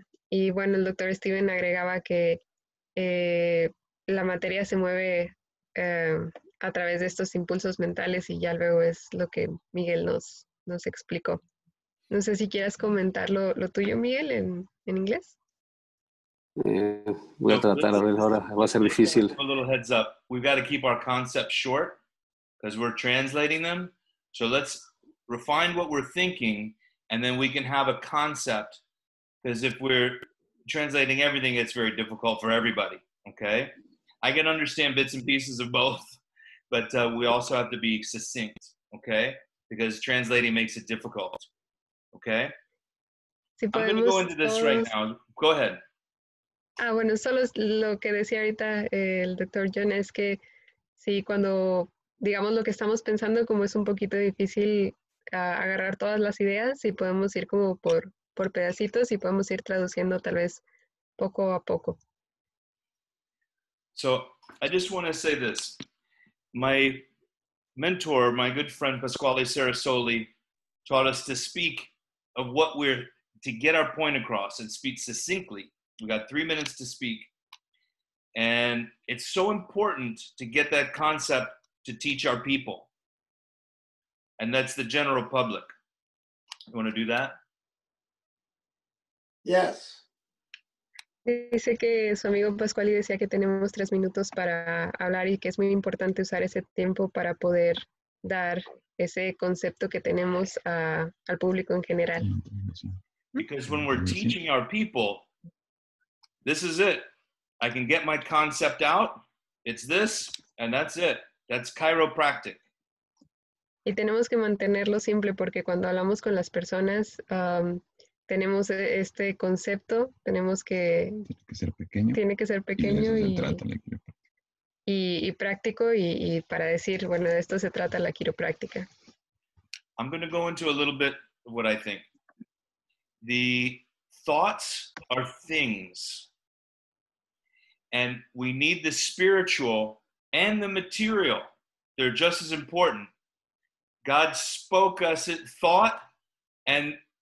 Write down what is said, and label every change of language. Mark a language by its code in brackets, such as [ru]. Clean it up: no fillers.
[es] Y bueno, el doctor Steven agregaba que la materia se mueve a través de estos impulsos mentales y ya luego es lo que Miguel nos explicó. No sé si quieras comentar lo tuyo, Miguel, en inglés. Voy a tratar a ver ahora, va a ser difícil. [en] A little heads up. We've got to keep our concepts short because we're translating them. So let's refine what we're thinking and then we can have a concept because if we're translating everything, it's very difficult for everybody, okay? I can understand bits and pieces of both, but we also have to be succinct, okay? Because translating makes it difficult, okay? [es] Si [en] I'm going to go into this right now. Go ahead. [es] Ah, bueno, solo lo que decía ahorita el doctor John es que si cuando, digamos, lo que estamos pensando, como es un poquito difícil agarrar todas las ideas, si podemos ir como por pedacitos y podemos ir traduciendo tal vez poco a poco. [en] So, I just want to say this. My mentor, my good friend Pasquale Sarasoli, taught us to speak of what we're, to get our point across and speak succinctly. We got 3 minutes to speak. And it's so important to get that concept to teach our people. And that's the general public. You want to do that? Yes. [es] Dice que su amigo Pascual decía que tenemos 3 minutos para hablar y que es muy importante usar ese tiempo para poder dar ese concepto que tenemos al público en general. [en] Because when we're teaching our people, this is it. I can get my concept out. It's this, and that's it. That's chiropractic. [es] Y tenemos que mantenerlo simple porque cuando hablamos con las personas, tenemos este concepto, tenemos que... Tiene que ser pequeño. Tiene que ser pequeño y, trata la quiropráctica. Y práctico y para decir, bueno, de esto se trata la quiropráctica. [en] I'm going to go into a little bit of what I think. The thoughts are things. And we need the spiritual and the material. They're just as important. God spoke us in thought and...